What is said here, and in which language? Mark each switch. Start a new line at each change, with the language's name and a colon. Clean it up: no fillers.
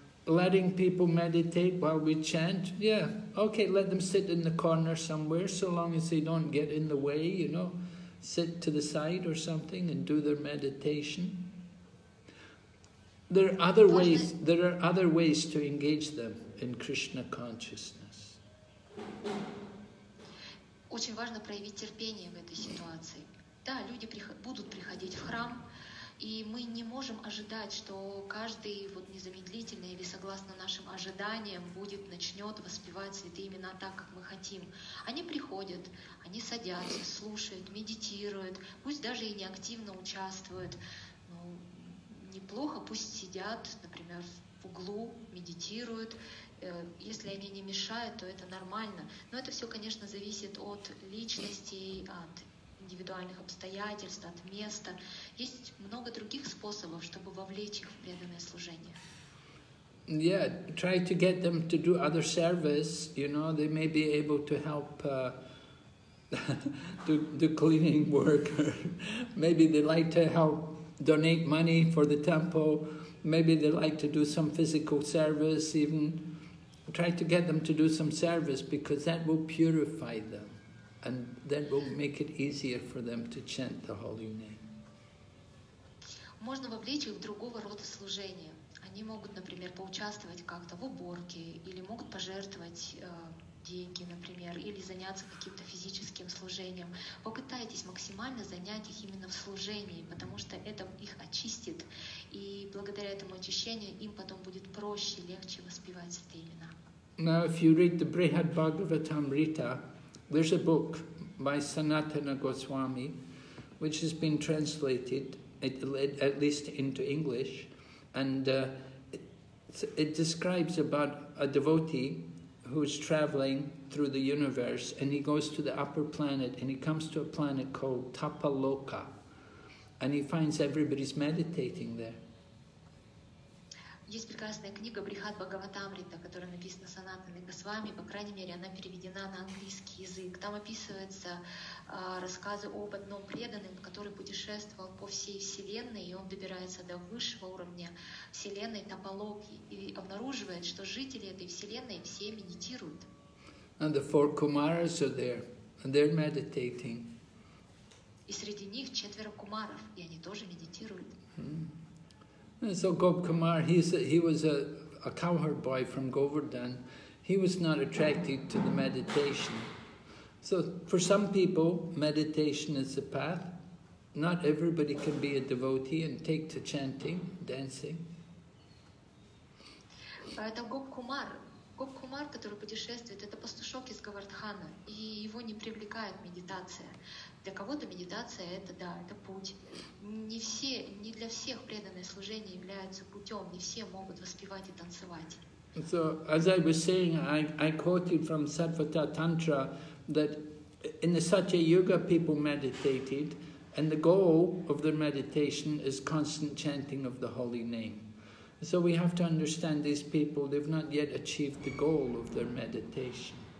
English: Letting people meditate while we chant, yeah, okay, let them sit in the corner somewhere, so long as they don't get in the way, you know. Sit to the side or something and do their meditation. There are other ways. There are other ways to engage them in Krishna consciousness.
Russian: Очень важно проявить терпение в этой ситуации. Да, люди будут приходить в храм, и мы не можем ожидать, что каждый вот незамедлительно или согласно нашим ожиданиям начнет воспевать святые имена так, как мы хотим. Они приходят, они садятся, слушают, медитируют, пусть даже и не активно участвуют. Ну, неплохо, пусть сидят, например, в углу, медитируют. Если они не мешают, то это нормально. Но это все, конечно, зависит от личностей, от индивидуальных обстоятельств, от места. Есть много других способов, чтобы вовлечь их в преданное служение.
English: Yeah, try to get them to do other service, you know, they may be able to help do cleaning work, maybe they like to help donate money for the temple, maybe they like to do some physical service even. Try to get them to do some service because that will purify them. And that will make it easier for them to chant the holy name.
Russian: Можно вовлечь их в другого рода служение. Они могут, например, поучаствовать как-то в уборке, или могут пожертвовать деньги, например, или заняться каким-то физическим служением. Попытайтесь максимально занять их именно в служении, потому что это их очистит и благодаря этому очищению им потом будет проще, легче воспевать эти имена.
English: Now, if you read the Brihad Bhagavatamrita, there's a book by Sanatana Goswami, which has been translated at least into English, and it describes about a devotee who's traveling through the universe, and he goes to the upper planet, and he comes to a planet called Tapaloka, and he finds everybody's meditating there.
Russian: Есть прекрасная книга Брихат Бхагаватамрита, которая написана Санатаной Госвами, по крайней мере, она переведена на английский язык. Там описываются рассказы об одном преданном, который путешествовал по всей Вселенной, и он добирается до высшего уровня Вселенной, Тапалоки, и обнаруживает, что жители этой Вселенной все медитируют.
English: And the four Kumaras are there, and they're meditating.
Russian: И среди них четверо кумаров, и они тоже медитируют.
English: And so Gop Kumar, he was a cowherd boy from Govardhan. He was not attracted to the meditation. So for some people, meditation is the path. Not everybody can be a devotee and take to chanting, dancing.
Russian: Это Gop Kumar. Gop Kumar, который путешествует, это пастушок из Говардхана, и его не привлекает медитация. Для кого-то медитация – это да, это путь. Не все, не для всех преданное служение является путем, не все могут воспевать и танцевать.
English: So, as I was saying, I quoted from Sattvata Tantra that in the Satya Yuga people meditated, and the goal of their meditation is constant chanting of the holy name. So we have to understand these people, they've not yet achieved the goal of their meditation.